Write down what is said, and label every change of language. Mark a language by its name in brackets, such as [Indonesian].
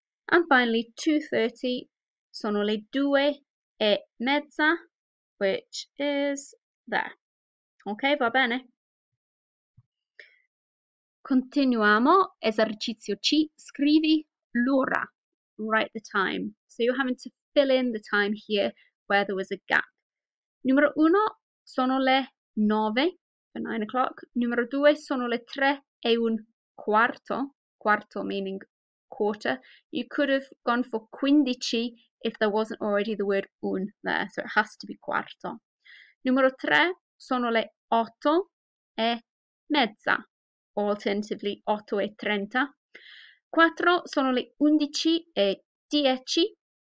[English] And finally, [Italian] 2:30, sono le due e mezza, [English] which is there. [Italian] Ok, va bene. Continuiamo, esercizio C, scrivi l'ora, [English] write the time. So you're having to fill in the time here where there was a gap. [Italian] Numero uno, sono le 9. [English] 9 o'clock. [Italian] Numero due sono le tre e un quarto. [English] Quarto meaning quarter. You could have gone for quindici if there wasn't already the word un there, so it has to be quarto. [Italian] Numero tre sono le 8 e mezza. Alternatively, 8:30. Quattro sono le 11 e 10.